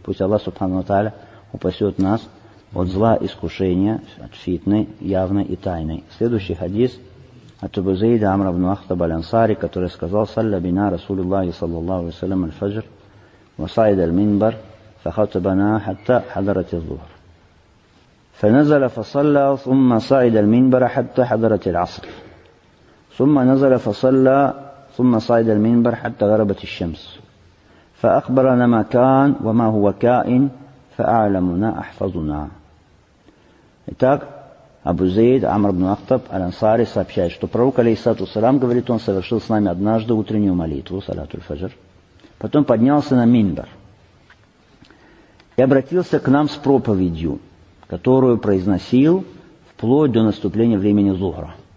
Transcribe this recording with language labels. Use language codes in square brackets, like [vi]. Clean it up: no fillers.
[ru] Пусть Аллах Субхану Тааля упасет нас от зла, искушения, от фитны, явной и тайной. Следующий хадис от Абу Зейда Амра ибн Ахтаба аль-Ансари, который сказал: [ar] «Салля бина Расулиллахи саллаллаху алейхи ва саллям аль-фаджр, ва саида аль-минбар, фа хатабана хатта хадарат аз-зухр». فنزل فصلى ثم صعد المنبر حتى حضرت العصر ثم نزل فصلى ثم صعد المنبر حتى غربت الشمس فأخبرنا ما كان وما هو كائن فأعلمنا أحفظنا. [ru] Итак, Абу Зейд Амр ибн Ахтаб аль-Ансари сообщает, что пророк, алейхиссалату вассалям, говорит, он совершил с нами однажды утреннюю молитву, салату аль-фаджр, потом поднялся на минбар и обратился к нам с проповедью, которую произносил вплоть до наступления времени Зухра.